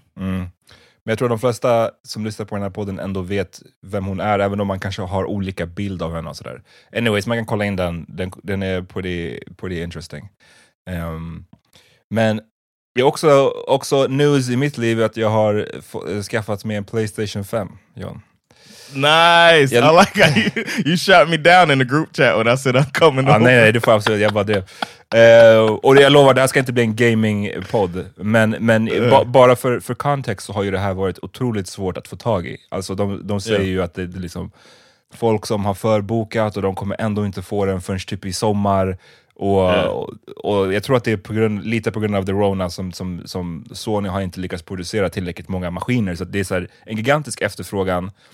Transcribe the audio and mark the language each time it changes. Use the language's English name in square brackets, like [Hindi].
[Swedish] Men jag tror att de flesta som lyssnar på den här podden ändå vet vem hon är, även om man kanske har olika bild av henne och sådär. Anyways, man kan kolla in den. Den är [English] pretty interesting. [Swedish] Men det är också news i mitt liv att jag har skaffat mig en PlayStation 5, John. [English] Nice. Yeah. I like how you shot me down in the group chat when I said I'm coming on. [Swedish] Nej, det får absolut, jag bara det. Och jag lovar, det här ska inte bli en gaming podd, men bara för kontext så har ju det här varit otroligt svårt att få tag i. Alltså de säger ju att det är liksom folk som har förbokat och de kommer ändå inte få den förrän typ i sommar, och jag tror att det är lite på grund av the Rona som Sony har inte lyckats producera tillräckligt många maskiner, så det är så här, en gigantisk efterfrågan.